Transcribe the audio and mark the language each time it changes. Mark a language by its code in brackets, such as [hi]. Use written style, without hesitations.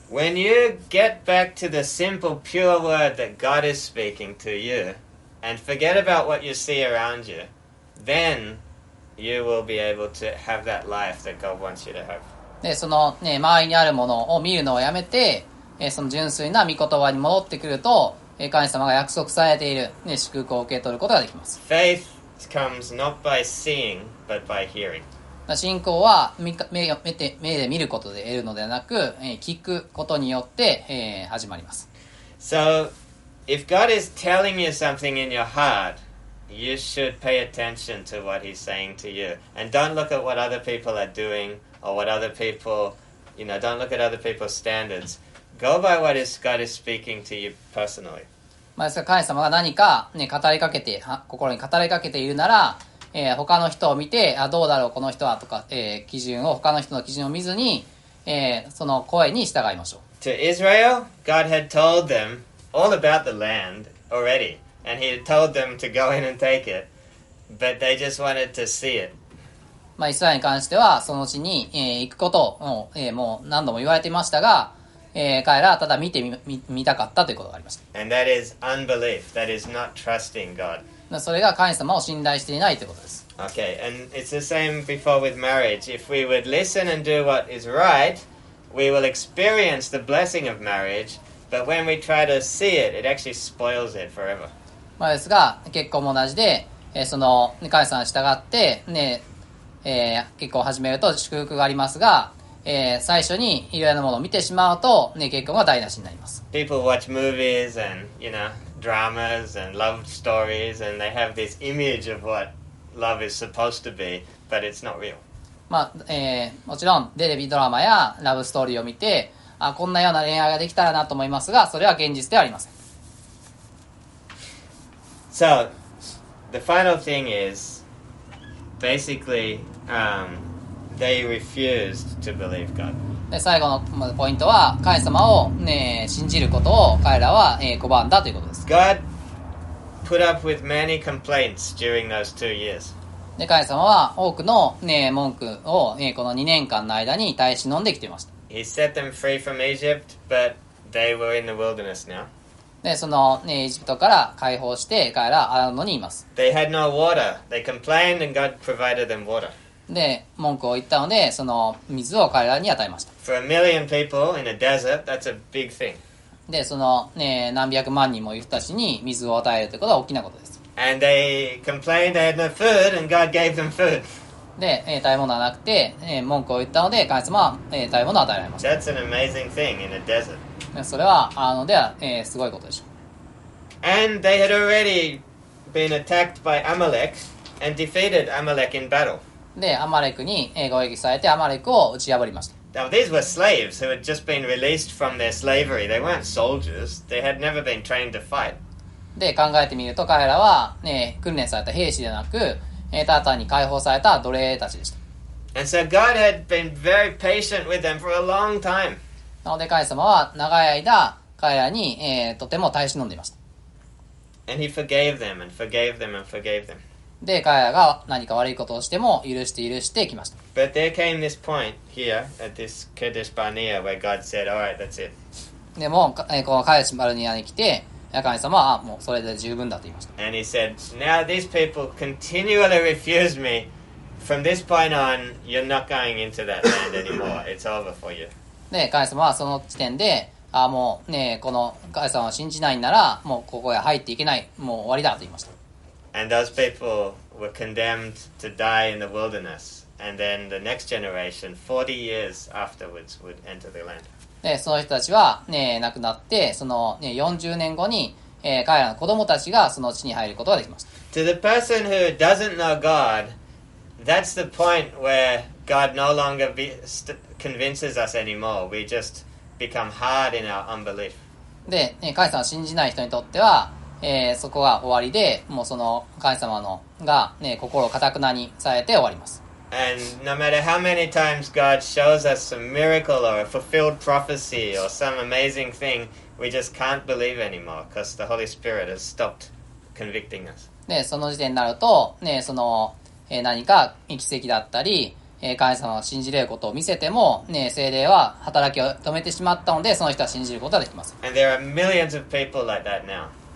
[en] When you get back to the simple, pure word that God is speaking to you, and forget about what you see around you, then you will be able to have that life that God wants you to have. [ja] で、その、ね、周りにあるものを見るのをやめて、その純粋な御言葉に戻ってくると、神様が約束されている、ね、祝福を受け取ることができます。 [en] Faith comes not by seeing, but by hearing. [ja] 信仰は 目で見ることで得るのではなく、聞くことによって、始まります。 [en] So, if God is telling you something in your heart, you should pay attention to what He's saying to you. And don't look at what other people are doing, or what other people, you know, don't look at other people's standards. Go by what God is speaking to you personally. [ja] まあですが、神様が何か、ね、語りかけて、心に語りかけているなら、他の人を見て、あ、どうだろう、この人はとか、基準を、他の人の基準を見ずに、その声に従いましょう。 [en] To Israel, God had told them all about the land already, and He had told them to go in and take it, but they just wanted to see it. [ja] まあ、イスラエルに関しては、その地に、行くことを、もう何度も言われていましたが、彼らはただ見てみたかったということがありました。 [en] And that is unbelief. That is not trusting God. [ja] それが神様を信頼していないということです。 [en] Okay, and it's the same before with marriage. If we would listen and do what is right, we will experience the blessing of marriage. But when we try to see it, it actually spoils it forever. [ja] まあですが、結婚も同じで、その神様に従って、ね、結婚を始めると祝福がありますが、最初にいろいろなものを見てしまうと、ね、結婚が台無しになります。 [en] People watch movies and, you know, dramas and love stories and they have this image of what love is supposed to be, but it's not real. [ja] まあ、もちろんテレビドラマやラブストーリーを見て、あ、こんなような恋愛ができたらなと思いますが、それは現実ではありません。 [en] So, the final thing is basically, They refused to believe God. [ja] で最後のポイントは神様を、ね、信じることを彼らは、拒んだということです。 [en] God put up with many complaints during those 2 years. [ja] で神様は多くの、ね、文句を、この2年間の間に耐え忍んできていました。 [en] He set them free from Egypt, but they were in the wilderness now. [ja] でその、ね、エジプトから解放して彼らはアラノにいます。 [en] They had no water. They complained and God provided them water. [ja] で文句を言ったのでその水を彼らに与えました。 [en] For a million people in a desert, that's a big thing. [ja] でその、ね、何百万人もいる人たちに水を与えるということは大きなことです。 [en] And they complained they had no food and God gave them food. [ja] で食べ物はなくて、文句を言ったので神様は、食べ物を与えられました。 [en] That's an amazing thing in a desert. [ja] でそれはあのでは、すごいことでしょう。 [en] And they had already been attacked by Amalek and defeated Amalek in battle. [ja] でアマレクに攻撃されてアマレクを打ち破りました。 [en] Now, these were slaves who had just been released from their slavery. They weren't soldiers. They had never been trained to fight. [ja] で考えてみると彼らは、ね、訓練された兵士ではなく、ただ単に解放された奴隷たちでした。 [en] And so God had been very patient with them for a long time. [ja] なので神様は長い間彼らに、とても耐え忍んでいました。 [en] And he forgave them and forgave them and forgave them. [ja] で彼らが何か悪いことをしても許して許してきました。 [en] But there came this point here at this Kadesh Barnea where God said, "All right, that's it." [ja] でも、このカデシバルニアに来て神様はもうそれで十分だと言いました。 [en] And he said, "Now these people continually refuse me. From this point on, you're not going into that land anymore. It's over for you." [ja] で神様はその時点で、あ、もうね、この神様を信じないなら、もうここへ入っていけない、もう終わりだと言いました。 [en] And those people were condemned to die in the wilderness, and then the next generation, 40 years afterwards, would enter the land. [ja] で、その人たちはね、亡くなって、そのね、40年後に、彼らの子供たちがその地に入ることができました。 [en] To the person who doesn't know God, that's the point where God no longer convinces us anymore. We just become hard in our unbelief. [ja] で、神様を信じない人にとっては、そこが終わりで、もうその神様のが、ね、心を固くなにされて終わります。 [en] And no matter how many times God shows us some miracle or a fulfilled prophecy or some amazing thing, we just can't believe anymore because the Holy Spirit has stopped convicting us. [ja] で、その時点になると、ね、その、何か奇跡だったり、神様を信じれることを見せても、ね、聖霊は働きを止めてしまったので、その人は信じることができません。 [en] And there are millions of people like that now.